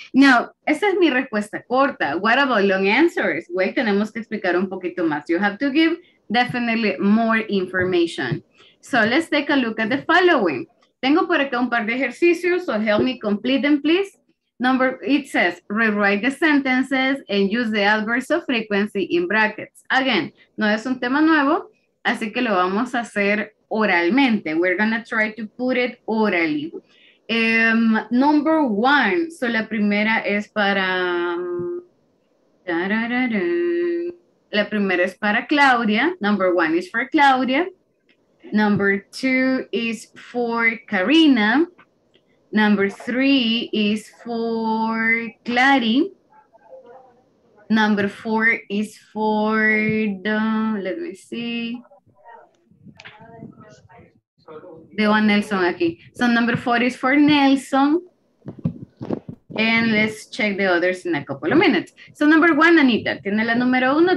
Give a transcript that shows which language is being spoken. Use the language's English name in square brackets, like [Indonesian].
[Spanish] Now, esa es mi respuesta corta. [English] What about long answers? [Spanish] Wait, tenemos que explicar un poquito más. [English] You have to give definitely more information. So let's take a look at the following. [Spanish] Tengo por acá un par de ejercicios, [English] so help me complete them, please. Number, it says, rewrite the sentences and use the adverbs of frequency in brackets. [Spanish] Again, no es un tema nuevo, así que lo vamos a hacer oralmente. [English] We're gonna try to put it orally. Number one, so [Spanish] la primera es para... La primera es para Claudia. [English] Number one is for Claudia. Number two is for Karina. Number three is for Clary. Number four is for the, let me see. [Spanish] Veo a Nelson aquí. [English] So number four is for Nelson. And let's check the others in a couple of minutes. So number one, [Spanish] Anita, ¿tiene la número uno?